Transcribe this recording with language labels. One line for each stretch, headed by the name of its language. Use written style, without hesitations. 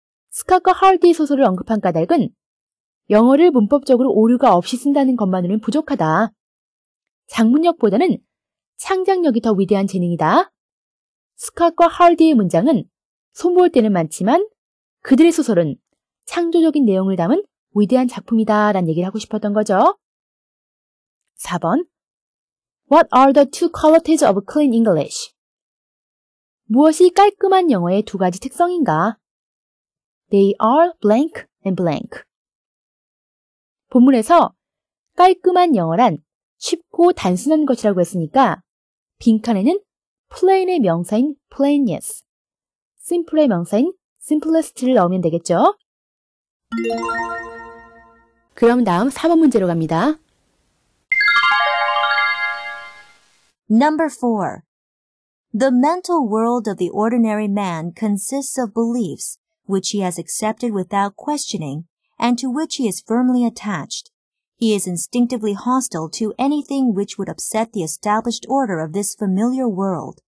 Korean: 스카커 하울디 소설을 언급한 까닭은 영어를 문법적으로 오류가 없이 쓴다는 것만으로는 부족하다. 작문력보다는 창작력이 더 위대한 재능이다. 스카커 하울디의 문장은 손볼 때는 많지만 그들의 소설은 창조적인 내용을 담은 위대한 작품이다 라는 얘기를 하고 싶었던 거죠.
English: 4번 What are the two qualities of clean English?
Korean: 무엇이 깔끔한 영어의 두 가지 특성인가?
English: They are blank and blank.
Korean: 본문에서 깔끔한 영어란 쉽고 단순한 것이라고 했으니까 빈칸에는 plain의 명사인 plainness, simple의 명사인 simplest를 넣으면 되겠죠? 그럼 다음 4번 문제로 갑니다.
English: Number 4. The mental world of the ordinary man consists of beliefs which he has accepted without questioning and to which he is firmly attached. He is instinctively hostile to anything which would upset the established order of this familiar world.